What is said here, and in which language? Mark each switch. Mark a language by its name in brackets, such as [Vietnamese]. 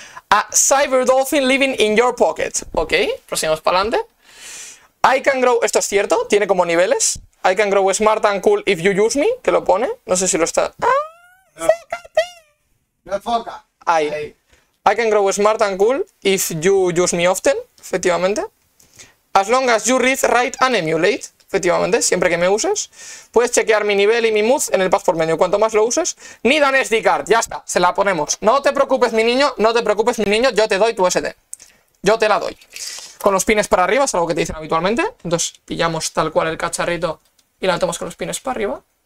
[English] A cyber dolphin living in your pocket. [Spanish] Ok, proseguimos para adelante. [English] I can grow, [Spanish] esto es cierto, tiene como niveles. [English] I can grow smart and cool if you use me. [Spanish] Que lo pone, no sé si lo está. ¡Ah! ¡Fíjate! ¡Me enfoca! Ahí. [English] I can grow smart and cool if you use me often. [Spanish] Efectivamente. [English] As long as you read, write and emulate. [Spanish] Efectivamente, siempre que me uses. Puedes chequear mi nivel y mi mood en el password menu. Cuanto más lo uses. [English] Need an SD card. [Spanish] Ya está, se la ponemos. No te preocupes, mi niño. No te preocupes, mi niño. Yo te doy tu SD. Yo te la doy. Con los pines para arriba, es algo que te dicen habitualmente. Entonces, pillamos tal cual el cacharrito y la metemos con los pines para arriba.